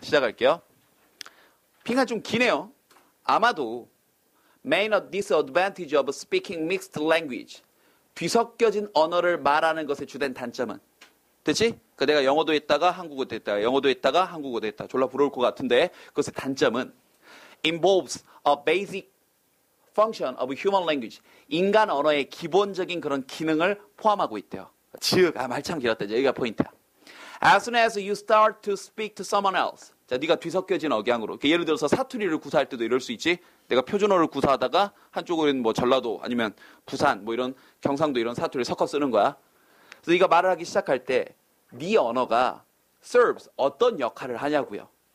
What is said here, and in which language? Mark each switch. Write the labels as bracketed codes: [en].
[ko] 시작할게요. 빈칸 좀 기네요. 아마도 [en] main disadvantage of speaking mixed language. [ko] 뒤섞여진 언어를 말하는 것의 주된 단점은? 됐지? 그러니까 내가 영어도 했다가 한국어도 했다가 영어도 했다가 한국어도 했다. 졸라 부러울 것 같은데 그것의 단점은? [en] involves a basic function of human language. [ko] 인간 언어의 기본적인 그런 기능을 포함하고 있대요. 즉, 아, 말 참 길었다. 여기가 포인트야. [en] As soon as you start to speak to someone else. [ko] 자, 네가 뒤섞여진 억양으로. 예를 들어서 사투리를 구사할 때도 이럴 수 있지. 내가 표준어를 구사하다가 한쪽으로는 뭐 전라도 아니면 부산 뭐 이런 경상도 이런 사투리를 섞어 쓰는 거야. 그래서 네가 말을 하기 시작할 때 네 언어가 serves 어떤 역할을 하냐고요.